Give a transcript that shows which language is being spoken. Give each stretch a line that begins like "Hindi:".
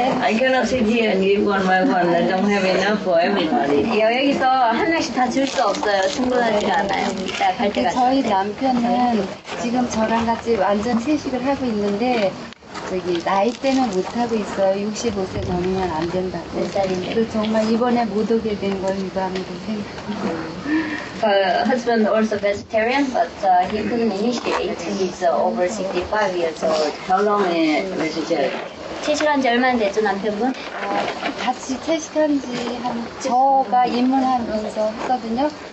English: I cannot sit here and eat one by one. I don't have enough for everybody.
Korean: 여기서 한 명씩 다 줄 수 없어요. 충분하지 않아요. 저희 남편은 지금 저랑 같이 완전 채식을 하고 있는데 저기 나이 때문에 못하고 있어요. 65세 넘으면 안 된다고. 몇 살인데? 정말 이번에 못 오게 된 걸 유감으로 생각해요.
English: Her husband also vegetarian, but he couldn't initiate. He's over 65 years old. How long is vegetarian?
Korean: 채식한 지 얼마나 됐죠, 남편분? 같이 채식한 지 한 저가 입문하면서 했거든요.